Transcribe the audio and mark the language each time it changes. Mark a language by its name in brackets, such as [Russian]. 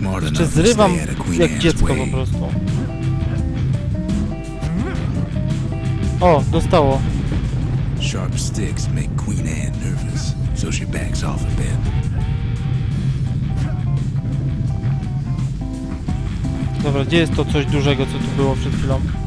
[Polish] Jeszcze zrywam jak dziecko po prostu. O, dostało. [English] Sharp sticks make Queen Anne nervous, so she backs off a bit. [Polish] Dobra, gdzie jest to coś dużego, co tu było przed chwilą?